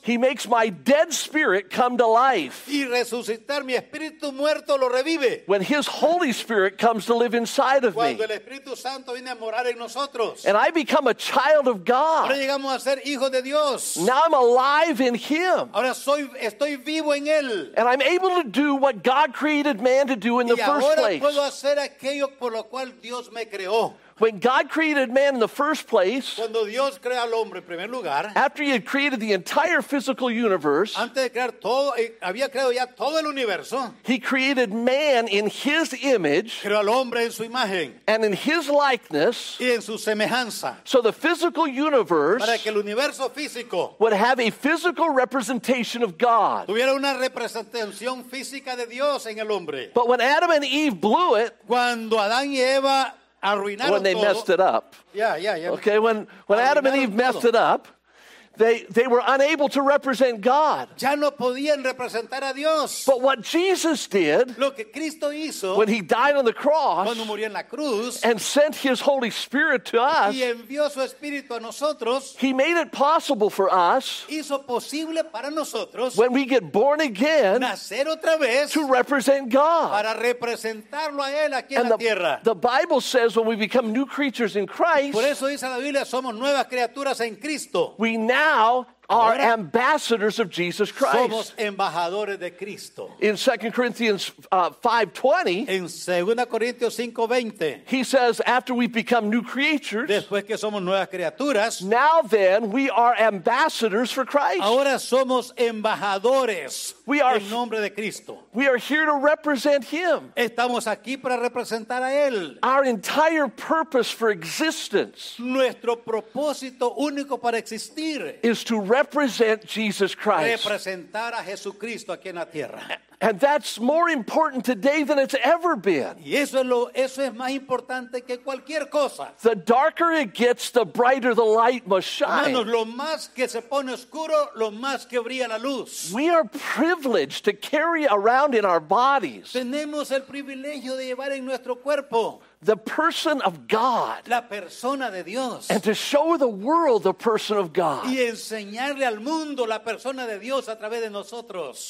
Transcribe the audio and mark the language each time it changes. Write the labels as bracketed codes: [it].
[en] He makes my dead spirit come to life. [es] Y resucitar mi espíritu muerto lo revive. [en] When his Holy Spirit comes to live inside of me. [es] Cuando el Espíritu Santo viene a morar en nosotros. [en] And I become a child of God. [es] Ahora llegamos a ser hijos de Dios. [en] Now I'm alive in him. [es] Ahora estoy vivo en él. [en] And I'm able to do what God created man to do in the first place. [es] Y ahora puedo hacer aquello por lo cual Dios me creó. [en] When God created man in the first place, [es] cuando Dios crea al hombre en primer lugar, [en] after he had created the entire physical universe, [es] antes de crear todo, había creado ya todo el universo, [en] he created man in his image, [es] creó al hombre en su imagen, [en] and in his likeness, [es] y en su semejanza, [en] so the physical universe, [es] para que el universo físico, [en] would have a physical representation of God, [es] tuviera una representación física de Dios en el hombre. [en] But when Adam and Eve blew it, [es] cuando Adán y Eva [en] when they [es] todo. [en] Messed it up. Yeah, yeah, yeah. Okay, when Adam and Eve [es] todo. [en] Messed it up, they were unable to represent God. [es] Ya no podían representar a Dios. [en] But what Jesus did, [es] lo que Cristo hizo, [en] when he died on the cross, [es] cuando murió en la cruz, [en] and sent his Holy Spirit to us, [es] y envió su espíritu a nosotros, [en] he made it possible for us, [es] hizo posible para nosotros, [en] when we get born again, [es] nacer otra vez, [en] to represent God. [es] Para representarlo a él aquí [en] and [es] en la tierra. [en] The Bible says when we become new creatures in Christ, [es] por eso dice la Biblia, somos nuevas criaturas en Cristo. [en] We now are ambassadors of Jesus Christ. [es] Somos embajadores de Cristo. [en] In 2 Corinthians 5:20, [es] en 2 Corintios 5:20, [en] he says, after we become new creatures, [es] después que somos nuevas criaturas, [en] now then we are ambassadors for Christ. [es] Ahora somos embajadores en nombre de Cristo. [en] We are here to represent him. [es] Estamos aquí para representar a él. [en] Our entire purpose for existence, [es] nuestro propósito único para existir, [en] is to represent Jesus Christ. [es] Representar a Jesucristo aquí en la tierra. [en] And that's more important today than it's ever been. [es] Y eso es más importante que cualquier cosa. [en] The darker it gets, the brighter the light must shine. [es] Lo más que se pone oscuro, lo más que brilla la luz. [en] We are privileged to carry around in our bodies. [es] Tenemos el privilegio de llevar en nuestro cuerpo. [en] The person of God. [es] La persona de Dios. [en] And to show the world the person of God. [es] Y enseñarle al mundo la persona de Dios a través de nosotros.